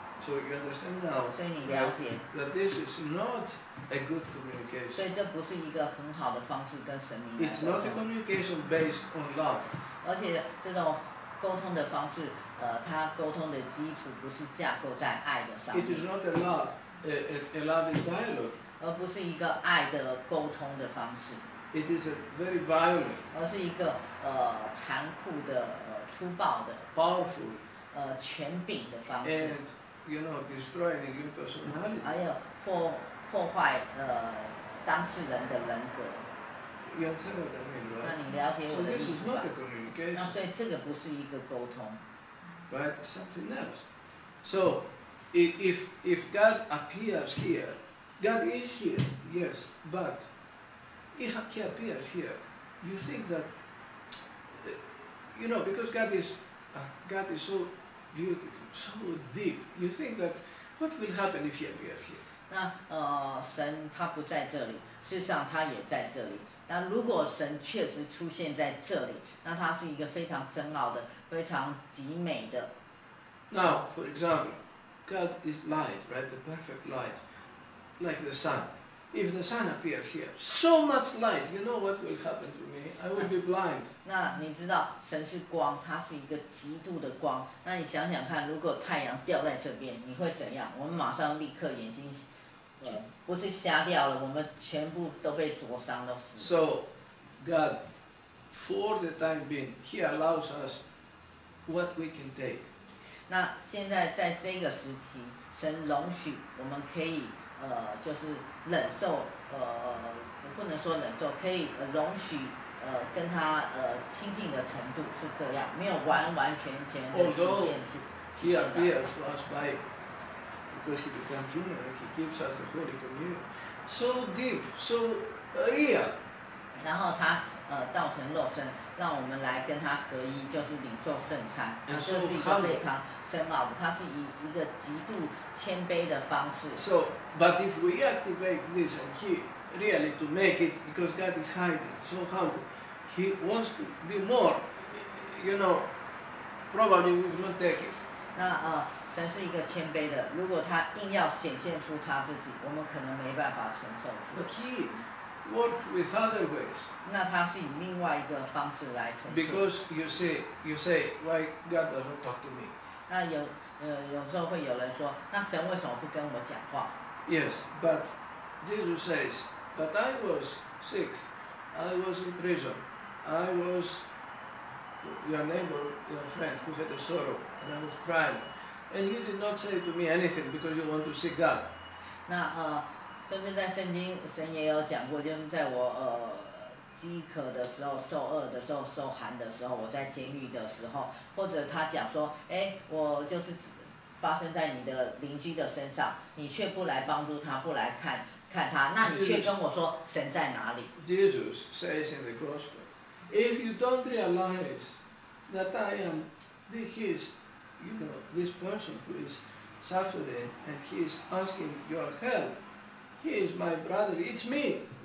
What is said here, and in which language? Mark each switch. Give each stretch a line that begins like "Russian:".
English: So you understand now?
Chinese: 所以你了解。
English: That this is not a good communication.
Chinese: 所以这不是一个很好的方式跟神明来沟通。
English: It's not a communication based on love.
Chinese: 而且这种沟通的方式，它沟通的基础不是架构在爱的上面。
English: It is not a love, a loving dialogue.
Chinese: 而不是一个爱的沟通的方式。
English: It is a very violent.
Chinese: 而是一个残酷的、粗暴的。
English: Powerful.
Chinese: 权柄的方式。
English: And you know, destroying your personality.
Chinese: 还有破坏当事人的人格。有这个人格。那你了解我的意思吧？
English: So this is not a communication.
Chinese: 那所以这个不是一个沟通。
English: Right, something else. So, if God appears here, God is here, yes, but if he appears here, you think that, you know, because God is so beautiful, so deep, you think that what will happen if he appears here?
Chinese: 那神他不在这里，事实上他也在这里。那如果神确实出现在这里，那他是一个非常深奥的，非常极美的。
English: Now, for example, God is light, right? The perfect light, like the sun. If the sun appears here, so much light, you know what will happen to me? I will be blind.
Chinese: 那你知道神是光，他是一个极度的光。那你想想看，如果太阳掉在这边，你会怎样？我们马上立刻眼睛。不是瞎掉了，我们全部都被灼伤了。
English: So, God, for the time being, He allows us what we can take.
Chinese: 那现在在这个时期，神容许我们可以就是忍受我不能说忍受，可以容许跟他亲近的程度是这样，没有完完全全的极限去。
English: He appears to us by. Because he becomes human, he gives us the Holy Communion, so deep, so real.
Chinese: 然后他道成肉身，让我们来跟他合一，就是领受圣餐。
English: And、
Chinese: 这是一个非常深奥的，他是以一个极度谦卑的方式。
English: So, but if we activate this and he really to make it, because God is hiding, so humble, he wants to be more. You know, probably we will not take it.
Chinese: 那神是一个谦卑的，如果他硬要显现出他自己，我们可能没办法承受。
English: But he works with other ways.
Chinese: 那他是以另外一个方式来承受。
English: Because you say, why God doesn't talk to me?
Chinese: 那有时候会有人说，那神为什么不跟我讲话？
English: Yes, but Jesus says, but I was sick, I was in prison, I was your neighbor, your friend who had a sorrow, and I was crying. And you did not say to me anything because you want to see God.
Chinese: 那甚至在圣经，神也有讲过，就是在我饥渴的时候、受饿的时候、受寒的时候，我在监狱的时候，或者他讲说，我就是发生在你的邻居的身上，你却不来帮助他，不来看他，那你却跟我说神在哪里
English: ？Jesus says in the gospel, if you don't realize that I am the His. You know, this person who is suffering and he is asking your help, he is my brother, it's me.